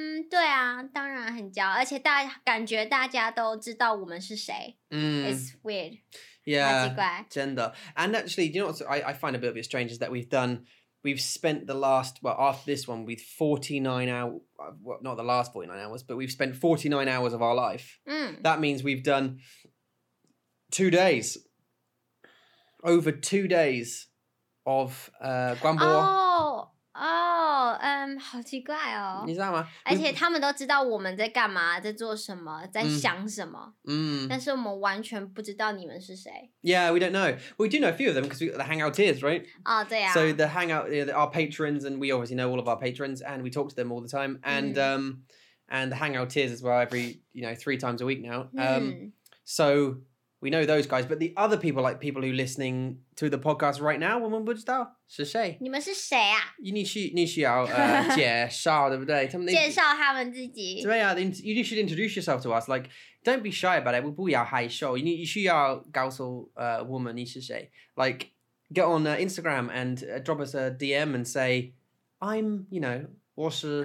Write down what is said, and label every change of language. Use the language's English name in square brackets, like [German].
[Chinese] 对啊，当然很骄傲，而且感觉大家都知道我们是谁。 [English] It's weird， yeah, [Chinese] 好奇怪，真的。 [English] And actually, you know what I find a bit of it strange is that we've spent the last well after this one with 49 hours, well, not the last 49 hours, but we've spent 49 hours of our life. That means we've done 2 days, over 2 days. Of Guanbo. [Chinese] Oh, 好奇怪哦。你知道吗？而且他们都知道我们在干嘛，在做什么，在想什么。但是我们完全不知道你们是谁。 [English] Yeah, we don't know. We do know a few of them because the hangout is, right? [Chinese] Oh, 对啊。 [English] So the hangout, our patrons, and we obviously know all of our patrons, and we talk to them all the time, and, and the hangout is as well every, you know, 3 times a week now. So... We know those guys, but the other people, like people who are listening to the podcast right now, [Chinese] 我们不知道是谁。你们是谁啊？你需要介绍，对不对？他们介绍他们自己。对啊 [English] ，you should introduce yourself to us. Like, don't be shy about it. [Chinese] 我不要害羞。你需要告诉我们你是谁。 [English] Like, get on Instagram and drop us a DM and say, I'm, you know, [Chinese] 我是